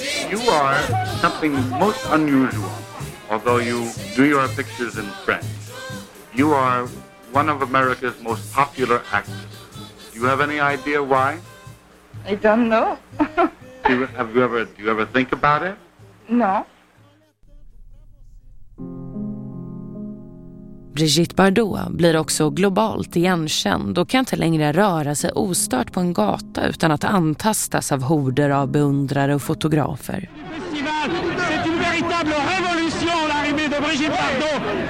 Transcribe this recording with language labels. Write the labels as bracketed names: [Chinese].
[English] You are something most unusual, although you do your pictures in French. You are one of America's most popular actors. Do you have any idea why? I don't know. do you ever think about it? No. [Swedish] Brigitte Bardot blir också globalt igenkänd och kan inte längre röra sig ostört på en gata utan att antastas av horder av beundrare och fotografer. [French] C'est une véritable révolution l'arrivée de Brigitte Bardot.